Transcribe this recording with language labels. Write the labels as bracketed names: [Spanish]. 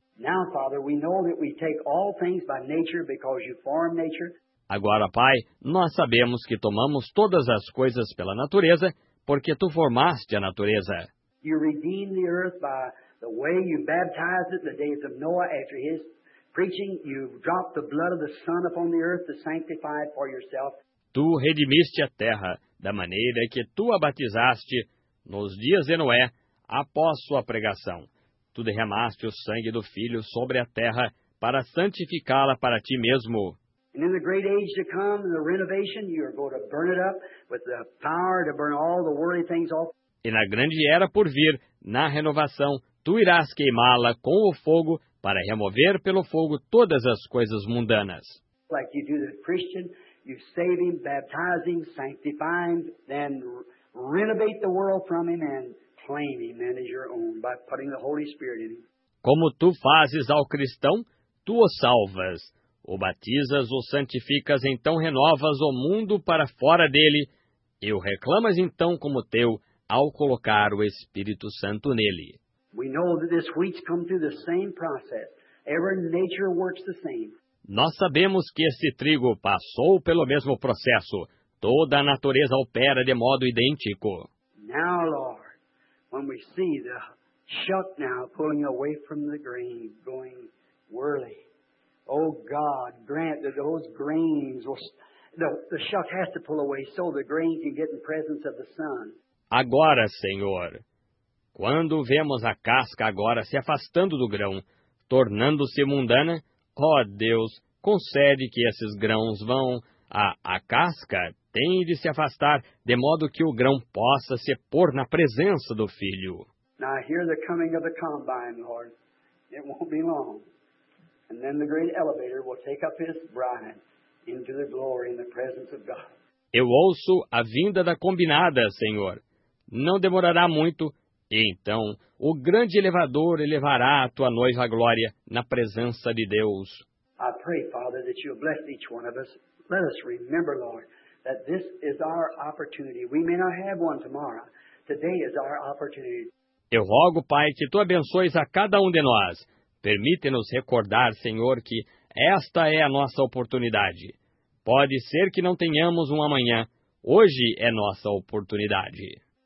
[English] Now, Father, we know that we take all things by nature because you form nature. [Portuguese] Agora, Pai, nós sabemos que tomamos todas as coisas pela natureza, porque Tu formaste a natureza. [English] You redeemed the earth by the way you baptized it in the days of Noah after his preaching. You dropped the blood of the Son upon the earth to sanctify it for yourself. [Portuguese] Tu redimiste a terra da maneira que Tu a batizaste nos dias de Noé após sua pregação. Tu derramaste o sangue do Filho sobre a terra para santificá-la para Ti mesmo. [English] And in the great age to come, the renovation, you are going to burn it up with the power to burn all the worldly things off. [Portuguese] E na grande era por vir, na renovação, tu irás queimá-la com o fogo para remover pelo fogo todas as coisas mundanas. [English] Like you do the Christian, you save him, baptize him, sanctify him, then renovate the world from him and claim him then as your own by putting the Holy Spirit in him. [Portuguese] Como tu fazes ao cristão, tu o salvas. O batizas, o santificas, então renovas o mundo para fora dele, e o reclamas então como teu ao colocar o Espírito Santo nele. [English] We know that this wheat's come through the same process. Every nature works the same. [Portuguese] Nós sabemos que esse trigo passou pelo mesmo processo. Toda a natureza opera de modo idêntico. [English] Now, Lord, when we see the shuck now pulling away from the grain, going whirly, oh God, grant that those grains will, the shuck has to pull away so the grain can get in presence of the sun. [Portuguese] Agora, Senhor, quando vemos a casca agora se afastando do grão, tornando-se mundana, ó Deus, concede que esses grãos vão à casca, tem de se afastar, de modo que o grão possa se pôr na presença do Filho. [English] Now I hear the coming of the combine, Lord. It won't be long. And then the great elevator will take up his bride into the glory in the presence of God. [Portuguese] Eu ouço a vinda da combinada, Senhor. Não demorará muito, e então o grande elevador elevará a tua noiva à glória na presença de Deus. [English] I pray, Father, that you bless each one of us. Let us remember, Lord, that this is our opportunity. We may not have one tomorrow. Today is our opportunity. [Portuguese] Eu rogo, Pai, que tu abençoes a cada um de nós. Permite-nos recordar, Senhor, que esta é a nossa oportunidade. Pode ser que não tenhamos um amanhã. Hoje é nossa oportunidade.